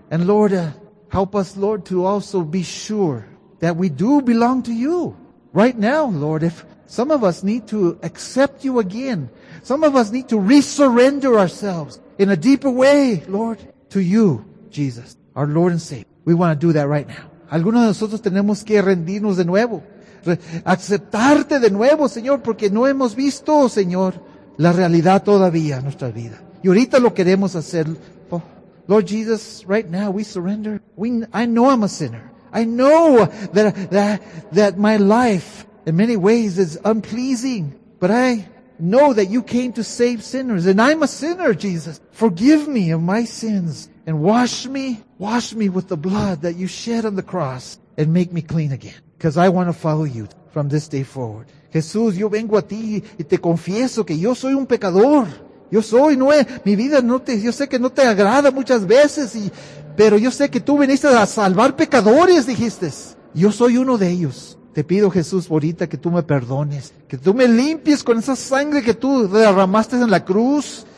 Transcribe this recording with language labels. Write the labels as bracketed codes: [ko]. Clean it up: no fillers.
[en] And Lord, help us, Lord, to also be sure that we do belong to you. Right now, Lord, if some of us need to accept you again, some of us need to resurrender ourselves in a deeper way, Lord, to you, Jesus, our Lord and Savior. We want to do that right now. [es] Algunos de nosotros tenemos que rendirnos de nuevo, aceptarte de nuevo, Señor, porque no hemos visto, Señor, la realidad todavía en nuestra vida. Y ahorita lo queremos hacer. Oh, [en] Lord Jesus, right now we surrender. I know I'm a sinner. I know that my life in many ways is unpleasing, but I know that you came to save sinners, and I'm a sinner, Jesus. Forgive me of my sins and wash me with the blood that you shed on the cross and make me clean again, because I want to follow you from this day forward. [es] Jesús, yo vengo a ti y te confieso que yo soy un pecador. Yo soy, no es, mi vida no te, yo sé que no te agrada muchas veces y pero yo sé que tú viniste a salvar pecadores, dijiste. Yo soy uno de ellos. Te pido, Jesús, ahorita que tú me perdones. Que tú me limpies con esa sangre que tú derramaste en la cruz.